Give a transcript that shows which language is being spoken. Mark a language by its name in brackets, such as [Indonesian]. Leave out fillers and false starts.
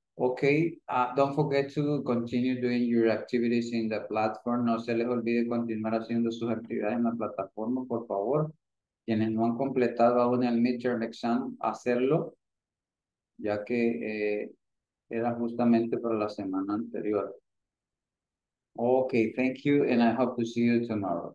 [English] Okay, don't forget to continue doing your activities in the platform. [Spanish] No se les olvide continuar haciendo sus actividades en la plataforma, por favor. Quienes no han completado aún el midterm exam, hacerlo, ya que era justamente para la semana anterior. [English] Okay, thank you, and I hope to see you tomorrow.